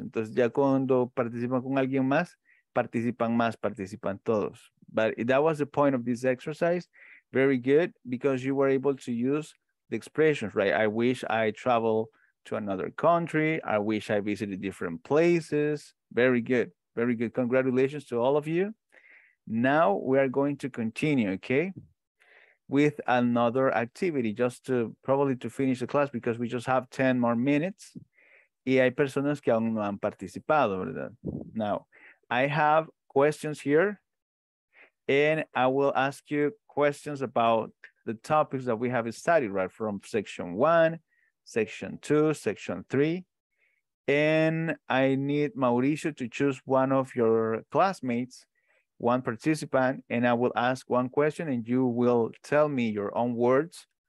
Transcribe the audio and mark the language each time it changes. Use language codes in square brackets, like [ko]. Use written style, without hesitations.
[es] Entonces, ya cuando participan con alguien más, participan más, participan todos. [en] But that was the point of this exercise. Very good, because you were able to use the expressions, right? I wish I travel to another country. I wish I visited different places. Very good. Very good. Congratulations to all of you. Now we are going to continue, okay, with another activity, just to probably to finish the class, because we just have 10 more minutes. [es] Y hay personas que aún no han participado, ¿verdad? [en] Now, I have questions here, and I will ask you questions about the topics that we have studied, right? From section one, section two, section three. And I need Mauricio to choose one of your classmates, one participant, and I will ask one question and you will tell me your own words.